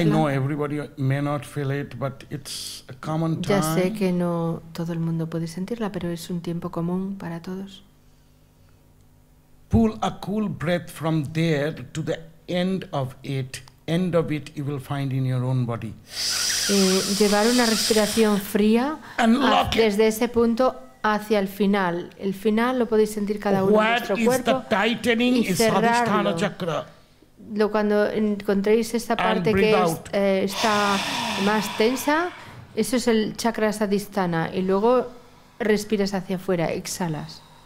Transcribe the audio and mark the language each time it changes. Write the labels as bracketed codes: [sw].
[en] I know everybody may not feel it, but it's a common time. [es] Ya sé que no todo el mundo puede sentirla, pero es un tiempo común para todos. [en] Pull a cool breath from there to the end of it. End of it, you will find in your own body. [es] Llevar una respiración fría desde ese punto hacia el final. El final lo podéis sentir cada uno en vuestro cuerpo. [en] What is the tightening? Is Adhisthana Chakra. [es] lo cuando encontréis esta parte que es, está más tensa, eso es el chakra sadhisthana, y luego respiras hacia afuera, exhalas.